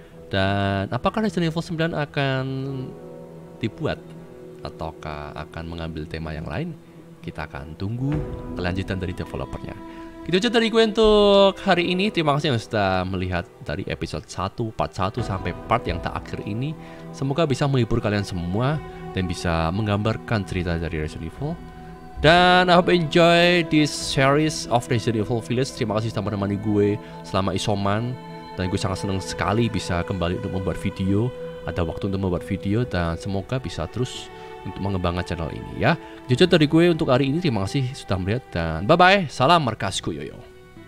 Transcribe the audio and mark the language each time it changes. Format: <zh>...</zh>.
<id>Dan apakah Resident Evil 9 akan dibuat ataukah akan mengambil tema yang lain? Kita akan tunggu kelanjutan dari developernya. Gitu aja dari gue untuk hari ini. Terima kasih yang sudah melihat dari episode 1, part 1 sampai part yang tak akhir ini. Semoga bisa menghibur kalian semua dan bisa menggambarkan cerita dari Resident Evil.</id> <en>Dan I hope enjoy this series of Resident Evil Village.</en> <id>Terima kasih sudah menemani gue selama isoman. Dan gue sangat senang sekali bisa kembali untuk membuat video. Ada waktu untuk membuat video dan semoga bisa terus untuk mengembangkan channel ini ya. Jujur dari gue untuk hari ini, terima kasih sudah melihat dan bye-bye. Salam Markas Kuyoyo.</id>